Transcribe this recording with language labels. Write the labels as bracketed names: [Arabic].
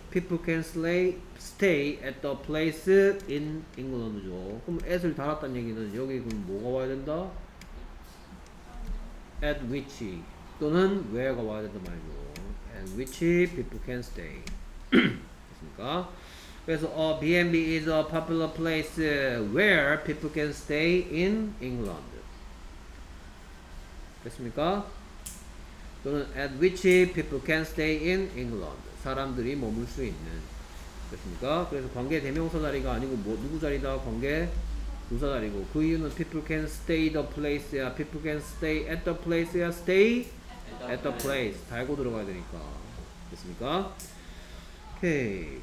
[English] People can stay at the place in England죠. [Korean] 그럼 at을 달았다는 얘기는 여기 그럼 뭐가 와야 된다? [English] At which [Korean] 또는 [English] where가 [Korean] 와야 된다 말이죠. [English] And which people can stay. [Korean] 됐습니까? 그래서 [English] B&B is a popular place where people can stay in England. [Korean] 됐습니까? 또는 [English] at which people can stay in England. [Korean] 사람들이 머물 수 있는. 됐습니까? 그래서 관계 대명사 자리가 아니고 뭐 누구 자리다? 관계 부사 자리고. 그 이유는 [English] people can stay the place야, people can stay at the place야, stay at the place. [Korean] 달고 들어가야 되니까. 됐습니까? 오케이.